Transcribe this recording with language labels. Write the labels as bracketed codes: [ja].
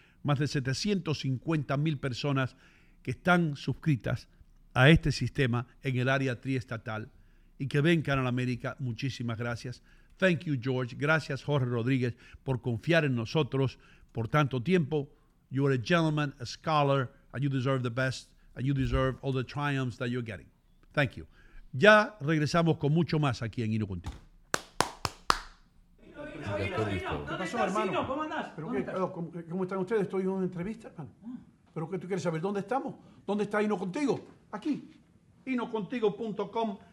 [es] Más de 750 mil personas que están suscritas a este sistema en el área triestatal y que ven Canal América. Muchísimas gracias. [en] Thank you, George. [es] Gracias, Jorge Rodríguez, por confiar en nosotros por tanto tiempo. [en] You are a gentleman, a scholar, and you deserve the best, and you deserve all the triumphs that you're getting. Thank you. [es] Ya regresamos con mucho más aquí en Ino Contigo. Ino, ¿Qué pasó, hermano? Ino, ¿cómo andás? ¿Cómo están ustedes? Estoy en una entrevista, hermano. ¿Pero qué tú quieres saber? ¿Dónde estamos? ¿Dónde está Ino Contigo? Aquí. InoContigo.com.